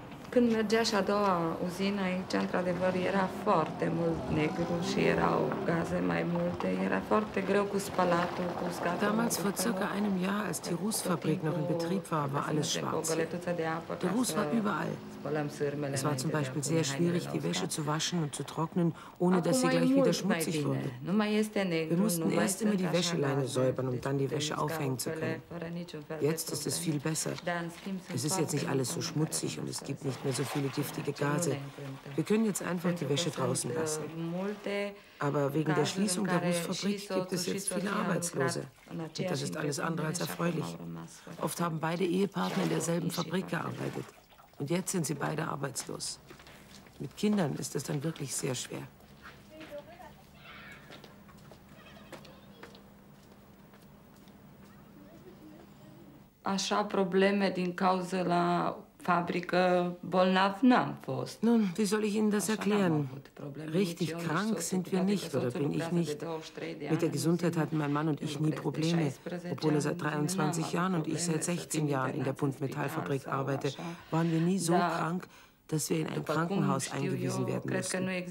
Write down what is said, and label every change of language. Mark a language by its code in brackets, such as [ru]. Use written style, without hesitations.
[ro] Când mergea și a doua uzină aici, într-adevăr, era foarte mult negru și erau gaze mai multe. Era foarte greu cu spălatul, cu uscatul. [de] Damals, vor circa einem Jahr, als die Rußfabrik noch in Betrieb war, war alles schwarz. Der Ruß war überall. Es war zum Beispiel sehr schwierig, die Wäsche zu waschen und zu trocknen, ohne dass sie gleich wieder schmutzig wurde. Wir mussten erst immer die Wäscheleine säubern, um dann die Wäsche aufhängen zu können. Jetzt ist es viel besser. Es ist jetzt nicht alles so schmutzig und es gibt nicht mehr so viele giftige Gase. Wir können jetzt einfach die Wäsche draußen lassen. Aber wegen der Schließung der Rußfabrik gibt es jetzt viele Arbeitslose. Und das ist alles andere als erfreulich. Oft haben beide Ehepartner in derselben Fabrik gearbeitet. Und jetzt sind sie beide arbeitslos. Mit Kindern ist das dann wirklich sehr schwer. [ro] Așa probleme din cauza la fabrică bolnav n-am fost. [de] Nun, wie soll ich Ihnen das erklären? Richtig krank sind wir nicht, oder bin ich nicht. Mit der Gesundheit hatten mein Mann und ich nie Probleme, obwohl er seit 23 Jahren und ich seit 16 Jahren in der Buntmetallfabrik arbeite, waren wir nie so krank, dass wir in ein Krankenhaus eingewiesen werden müssen.